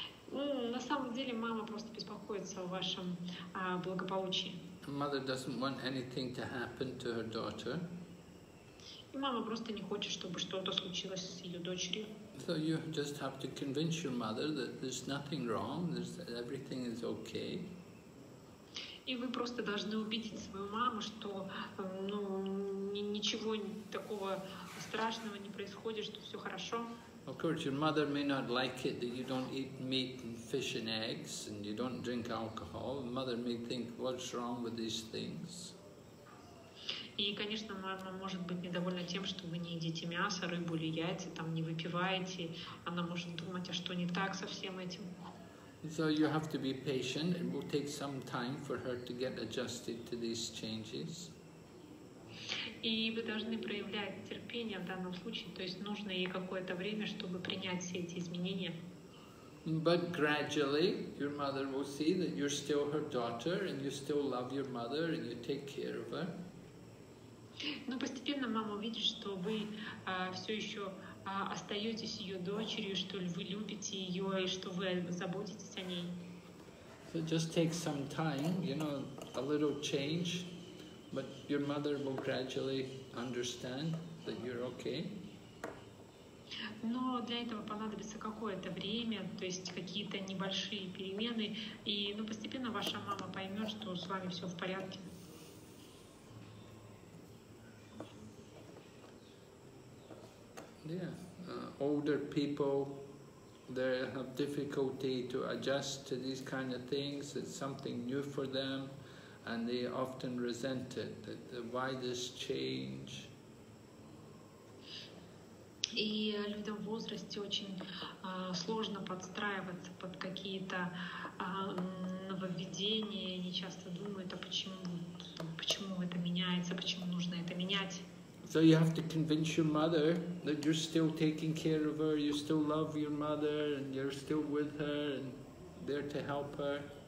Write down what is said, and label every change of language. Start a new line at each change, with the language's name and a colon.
Russian: На самом деле, мама просто беспокоится о вашем благополучии.
English: Mother doesn't want anything to happen to her daughter.
Russian: И мама просто не хочет, чтобы что-то случилось с ее дочерью.
English: So you just have to convince your mother that there's nothing wrong, that everything is okay.
Russian: И вы просто должны убедить свою маму, что ничего такого страшного не происходит, что все хорошо.
English: Of course, your mother may not like it that you don't eat meat and fish and eggs and you don't drink alcohol. Mother may think, what's wrong with these things?
Russian: И, конечно, мама может быть недовольна тем, что вы не едите мясо, рыбу или яйца, там не выпиваете. Она может думать, а что не так со всем этим?
English: So you have to be patient. It will take some time for her to get adjusted to these changes.
Russian: И вы должны проявлять терпение в данном случае, то есть нужно ей какое-то время, чтобы принять все эти изменения.
English: But gradually your mother will see that you're still her daughter and you still love your mother and you take care of her.
Russian: Но постепенно мама увидит, что вы все еще остаетесь ее дочерью, что вы любите ее и что вы заботитесь о ней.
English: So just take some time, you know, a little change, but your mother will gradually understand that you're okay.
Russian: Но для этого понадобится какое-то время, то есть какие-то небольшие перемены, и ну, постепенно ваша мама поймет, что с вами все в порядке.
English: Yeah, older people, they have difficulty to adjust to these kind of things. It's something new for them, and they often resent it. Why this change?
Russian: И людям в возрасте очень сложно подстраиваться под какие-то нововведения. Они часто думают, а почему это меняется, почему нужно это менять?
English: So you have to convince your mother that you're still taking care of her, you still love your mother, and you're still with her, and there to help her.